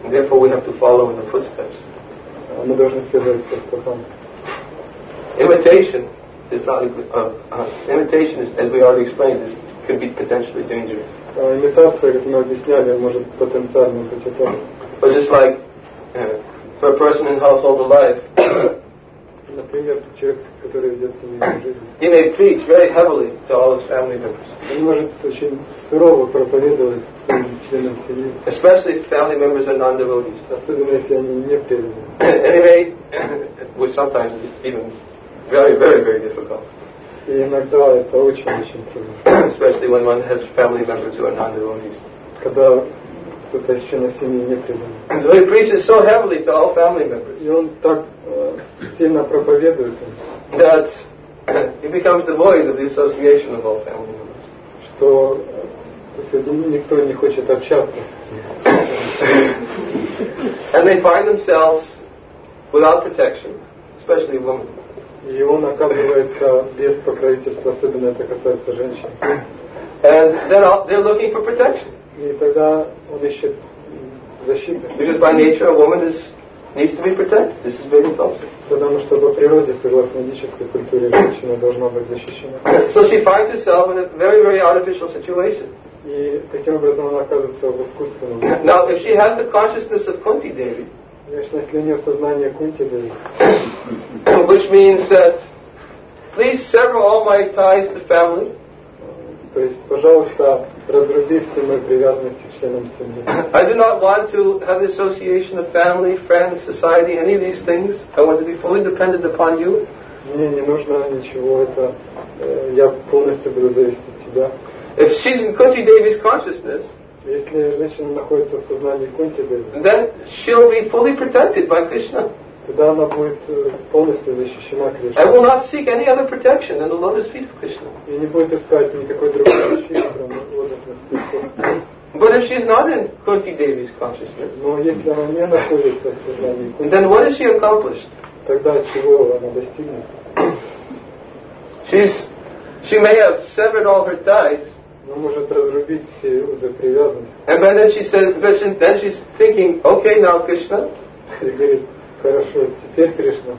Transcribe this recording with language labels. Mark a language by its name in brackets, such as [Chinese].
[English] Therefore, we have to follow in the footsteps. [Russian] Мы должны следовать по стопам. [English] Imitation is not a good. Imitation, is, as we already explained, is could be potentially dangerous. [Russian] Имитация, как мы объясняли, может потенциально быть опасной. [English] But just like for a person in household life, [Russian] например, человек, который ведет семейную жизнь, [English] he may preach very heavily to all his family members. [Russian] Он может очень сурово проповедовать. [English] Especially if family members are non-devotees. [Russian] Особенно если они не преданные. [English] Anyway, which sometimes is even very, very, very difficult. [Russian] И иногда это очень-очень трудно. [English] Especially when one has family members who are non-devotees. [Russian] Когда кто-то еще на семье не преданный. [English] So he preaches so heavily to all family members. [Russian] И он так сильно проповедует. [English] That he becomes devoid of the association of all family members. [Russian] Что никто не хочет общаться. [English] And they find themselves without protection, especially women. [Russian] И он оказывается без покровительства, особенно это касается женщин. [English] And they're looking for protection. [Russian] И тогда он ищет защиты. [English] Because by nature a woman is needs to be protected. This is very culture. [Russian] Потому что по природе, согласно ведической культуре, женщина должна быть защищена. [English] So she finds herself in a very, very artificial situation. [Russian] И таким образом она оказывается в искусственном. [English] Now, if she has the consciousness of Kunti Devi, [Russian] конечно, если у нее сознание Кунти Деви, [English] which means that, please sever all my ties to family. [Russian] То есть, пожалуйста, разруби все мои привязанности к членам семьи. [English] I do not want to have the association of family, friends, society, any of these things. I want to be fully dependent upon you. [Russian] Мне не нужно ничего это. Я полностью буду зависеть от тебя. [English] If she's in Kunti Devi's consciousness, [Russian] если женщина находится в сознании Кунти Деви, [English] then she'll be fully protected by Krishna. [Russian] Тогда она будет полностью защищена Кришной. [English] I will not seek any other protection than the lotus feet of Krishna. [Russian] И не будет искать никакой другой защиты, кроме лотосных [English] feet. But if she's not in Kunti Devi's consciousness, [Russian] но если она не находится в сознании Кунти, [English] then what has she accomplished? [Russian] Тогда чего она достигнет? [English] She's She may have severed all her ties. [Russian] Но может разрубить все узы привязанности. [English] And then she says, but then she's thinking, okay, now Krishna. [Russian] И говорит, хорошо, теперь Кришна.